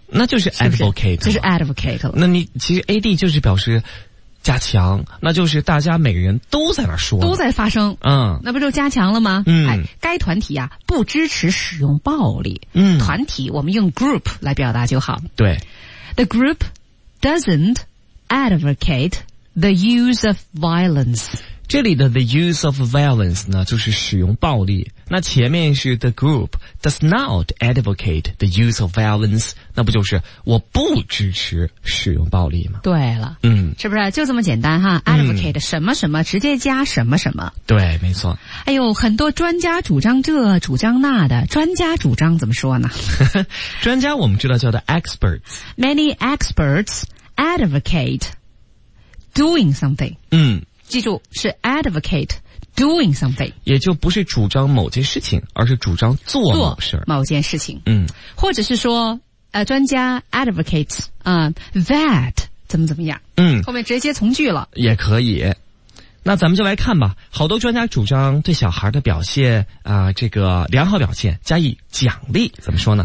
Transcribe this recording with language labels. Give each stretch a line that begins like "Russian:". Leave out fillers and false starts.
Chinese: 那就是 advocate，是不是？就是 advocate 了。那你其实 AD 就是表示。加强，那就是大家每个人都在那说，都在发声，嗯，那不就加强了吗？嗯，哎，该团体啊不支持使用暴力，嗯，团体我们用 group 来表达就好。对
English: ，the group doesn't advocate the use of violence。
Chinese: 这里的 the use of violence 呢，就是使用暴力。那前面是
English: the group does not advocate the use of violence，
Chinese: 那不就是我不支持使用暴力吗？对了，嗯，是不是就这么简单哈 ？advocate、嗯、什么什么，直接加什么什么？对，没错。哎呦，很多专家主张这，主张那的，专家主张怎么说呢？专家我们知道叫做 experts。
English: Many experts advocate doing something。
Chinese: 嗯。记住是 advocate doing something，也就不是主张某件事情，而是主张做某事做某件事情。嗯，或者是说，专家 advocates 啊、that 怎么怎么样？嗯，后面直接从句了也可以。那咱们就来看吧，好多专家主张对小孩的表现啊、这个良好表现加以奖励，怎么说呢